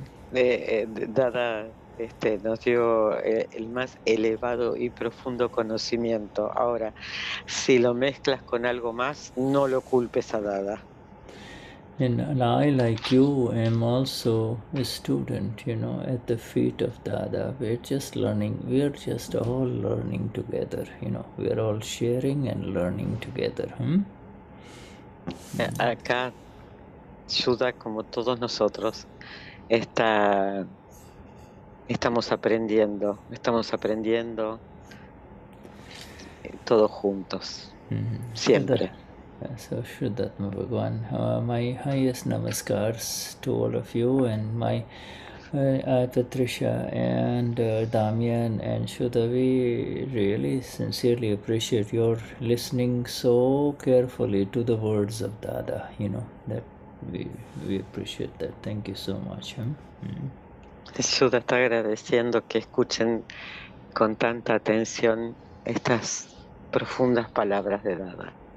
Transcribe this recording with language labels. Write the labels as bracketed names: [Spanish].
[Spanish] Dada nos dio el más elevado y profundo conocimiento. Ahora, si lo mezclas con algo más, no lo culpes a Dada. [English] And I, like you, am also a student, you know, at the feet of Dada. We're just learning. We're just all learning together, you know. We're all sharing and learning together. [Spanish] Acá, Shuddha, como todos nosotros, estamos aprendiendo todos juntos, siempre. [English] So Vishuddhatma Bhagwan, my highest namaskars to all of you, and my Patricia and Damian and Shuddha, we really sincerely appreciate your listening so carefully to the words of Dada, you know, that we appreciate that. Thank you so much. [Spanish] Shuddha está agradeciendo que escuchen con tanta atención estas profundas palabras de Dada.